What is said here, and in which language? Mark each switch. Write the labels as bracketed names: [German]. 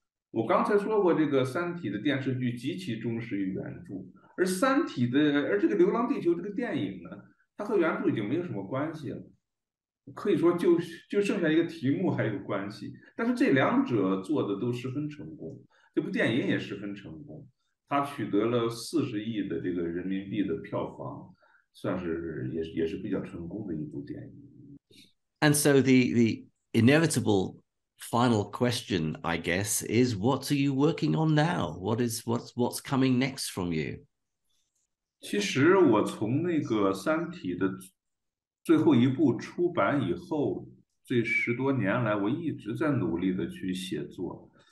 [Chinese] 我刚才说过这个三体的电视剧极其忠实于原著，而这个流浪地球这个电影呢，它和原著已经没有什么关系了，可以说就剩下一个题目还有关系，但是这两者做的都十分成功，这部电影也十分成功，它取得了40亿的这个人民币的票房，算是也是比较成功的一部电影。 [English] And so the inevitable final question, I guess, is what are you working on now? What's coming next from you? [Chinese] 其实我从那个《三体》的最后一部出版以后，这十多年来，我一直在努力的去写作。